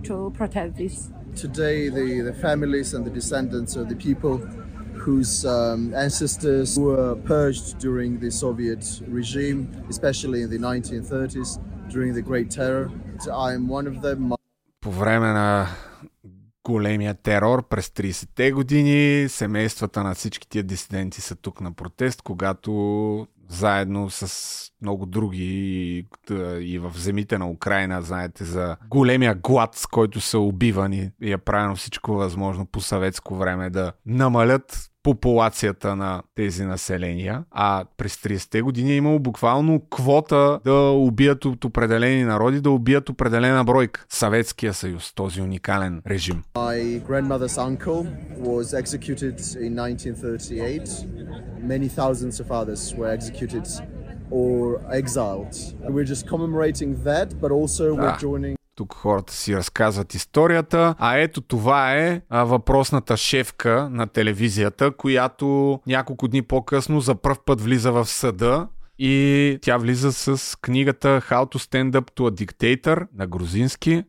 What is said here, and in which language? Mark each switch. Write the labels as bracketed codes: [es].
[en] Today the families and the descendants of the people whose ancestors were purged during the Soviet regime, especially in the 1930s during the Great Terror. I am one of them. [bg] По време на големия терор през 30-те години семействата на всички тия дисиденти са тук на протест, когато заедно с много други и в земите на Украина, знаете, за големия глад, с който са убивани и е правено всичко възможно по съветско време да намалят популацията на тези населения. А през 30-те години е имало буквално квота да убият от определени народи, да убият определена бройка. Съветския съюз, този уникален режим. [en] My grandmother's uncle was executed in 1938. Many thousands of others were executed or exiled. We're just commemorating that, but also we're joining... [bg] Тук хората си разказват историята, а ето това е въпросната шефка на телевизията, която няколко дни по-късно за пръв път влиза в съда и тя влиза с книгата How to Stand Up to a Dictator на грузински.